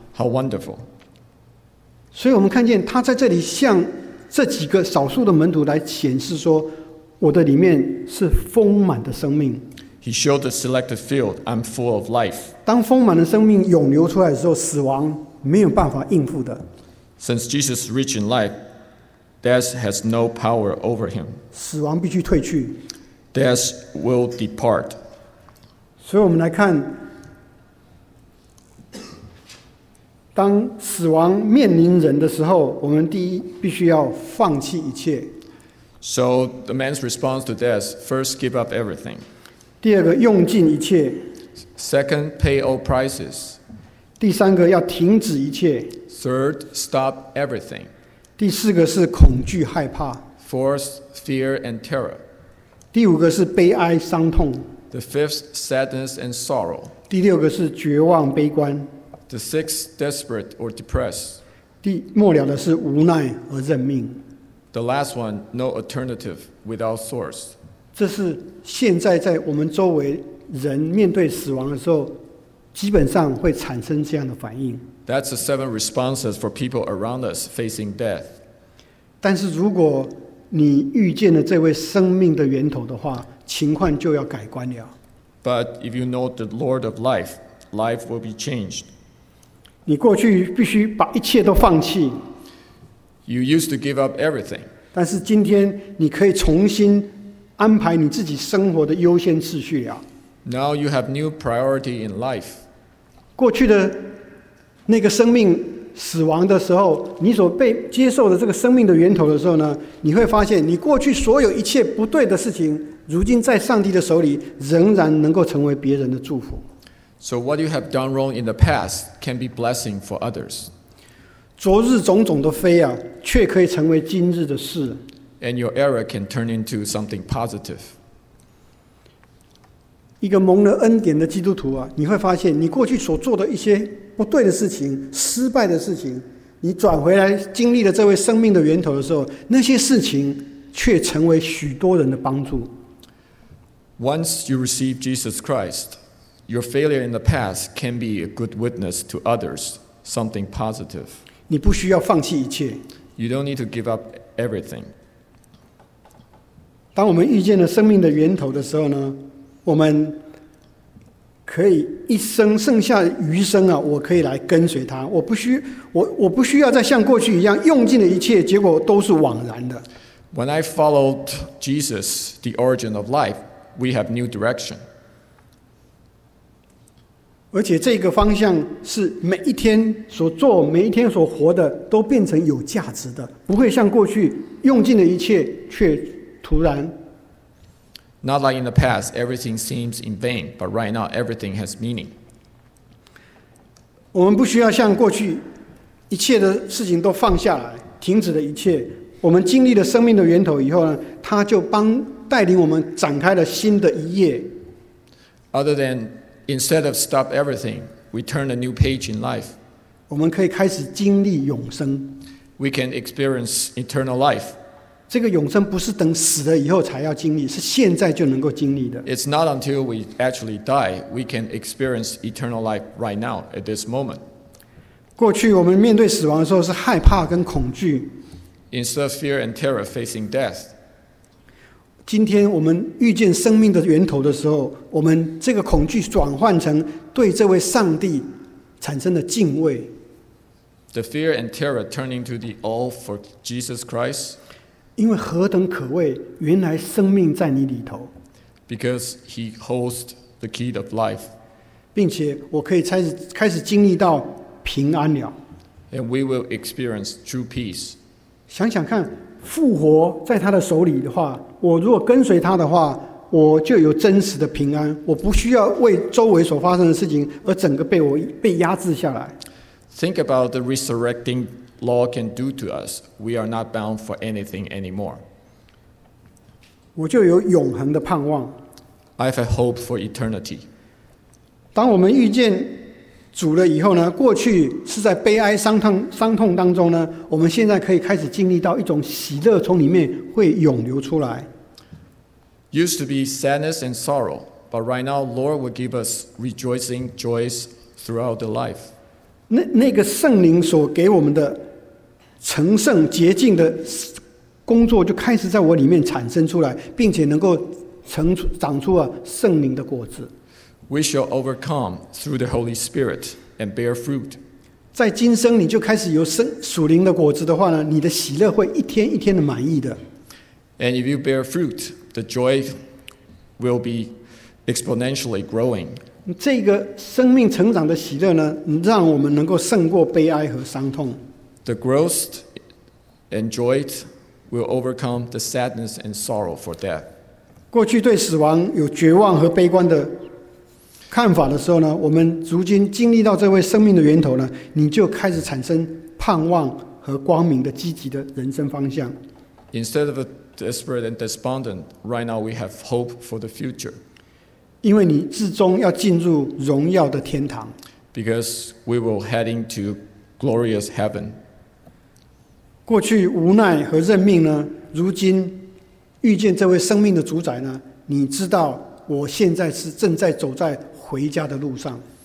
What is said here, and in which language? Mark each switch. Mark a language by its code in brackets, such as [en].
[en] How wonderful! [zh] 所以我们看见他在这里向这几个少数的门徒来显示说：“我的里面是丰满的生命。” [en] He showed the selected field, "I'm full of life." [zh] 当丰满的生命涌流出来的时候，死亡没有办法应付的。 [en] Since Jesus is rich in life. Death has no power over him. [zh] 死亡必须退去。 [en] Death will depart. [zh] 所以我们来看，当死亡面临人的时候，我们第一必须要放弃一切。 [en] So the man's response to death: first, give up everything. [zh] 第二个，用尽一切。 [en] Second, pay all prices. [zh] 第三个，要停止一切。 [en] Third, stop everything. [zh] 第四个是恐惧害怕。 [en] Fourth, fear and terror. [zh] 第五个是悲哀伤痛。 [en] The fifth, sadness and sorrow. [zh] 第六个是绝望悲观。 [en] The sixth, desperate or depressed. [zh] 第末了的是无奈和认命。 [en] The last one, no alternative without source. [zh] 这是现在在我们周围人面对死亡的时候，基本上会产生这样的反应。 [en] That's the seven responses for people around us facing death. [zh] 但是如果你遇见了这位生命的源头的话，情况就要改观了。 [en] But if you know the Lord of life, life will be changed. [zh] 你过去必须把一切都放弃。 [en] You used to give up everything. [zh] 但是今天你可以重新安排你自己生活的优先次序了。 [en] Now you have new priority in life. [zh] 过去的那个生命死亡的时候，你所被接受的这个生命的源头的时候呢，你会发现你过去所有一切不对的事情，如今在上帝的手里仍然能够成为别人的祝福。 [en] So what you have done wrong in the past can be blessing for others. [zh] 昨日种种的非啊，却可以成为今日的事。 [en] And your error can turn into something positive. [zh] 一个蒙了恩典的基督徒啊，你会发现你过去所做的一些不对的事情，失败的事情，你转回来经历了这位生命的源头的时候，那些事情却成为许多人的帮助。 [en] Once you receive Jesus Christ, your failure in the past can be a good witness to others, something positive. [zh] 你不需要放弃一切。 [en] You don't need to give up everything. [zh] 当我们遇见了生命的源头的时候呢，我们可以一生剩下余生啊，我可以来跟随他，我不需要再像过去一样用尽了一切，结果都是枉然的。 [en] When I followed Jesus, the origin of life, we have new direction. [zh] 而且这个方向是每一天所做、每一天所活的都变成有价值的，不会像过去用尽了一切却徒然。 [en] Not like in the past, everything seems in vain, but right now, everything has meaning. [zh] 我们不需要像过去一切的事情都放下来，停止了一切。我们经历了生命的源头以后呢，它就帮带领我们展开了新的一页。 [en] Other than instead of stop everything, we turn a new page in life. [zh] 我们可以开始经历永生。 [en] We can experience eternal life. [zh] 这个永生不是等死了以后才要经历，是现在就能够经历的。 [en] It's not until we actually die, we can experience eternal life right now, at this moment. [zh] 过去我们面对死亡的时候是害怕跟恐惧。 [en] Instead of fear and terror facing death. [zh] 今天我们遇见生命的源头的时候，我们这个恐惧转换成对这位上帝产生的敬畏。 [en] The fear and terror turning to the awe for Jesus Christ. [zh] 因为何等可畏，原来生命在你里头。 [en] Because he holds the key of life. [zh] 并且我可以开始经历到平安了。 [en] And we will experience true peace. [zh] 想想看，复活在他的手里的话，我如果跟随他的话，我就有真实的平安，我不需要为周围所发生的事情而整个被压制下来。 [en] Think about the resurrecting. Law can do to us. We are not bound for anything anymore. [zh] 我就有永恒的盼望。 [en] I have a hope for eternity. [zh] 当我们遇见主了以后呢，过去是在悲哀伤痛当中呢，我们现在可以开始经历到一种喜乐从里面会涌流出来。 [en] Used to be sadness and sorrow, but right now, Lord will give us rejoicing joys throughout the life. [zh] 那个圣灵所给我们的成圣洁净的工作就开始在我里面产生出来，并且能够长出圣灵的果子。 [en] We shall overcome through the Holy Spirit and bear fruit. [zh] 在今生你就开始有属灵的果子的话呢，你的喜乐会一天一天的满溢的。 [en] And if you bear fruit, the joy will be exponentially growing. [zh] 这个生命成长的喜乐呢，让我们能够胜过悲哀和伤痛。 [en] The growth and joy will overcome the sadness and sorrow for death. [zh] 过去对死亡有绝望和悲观的看法的时候呢，我们如今经历到这位生命的源头呢，你就开始产生盼望和光明的积极的人生方向。 [en] Instead of a desperate and despondent, right now we have hope for the future. [zh] 因为你至终要进入荣耀的天堂。 [en] Because we will head into glorious heaven. [zh] 过去无奈和认命呢，如今遇见这位生命的主宰呢，你知道我现在是正在走在回家的路上。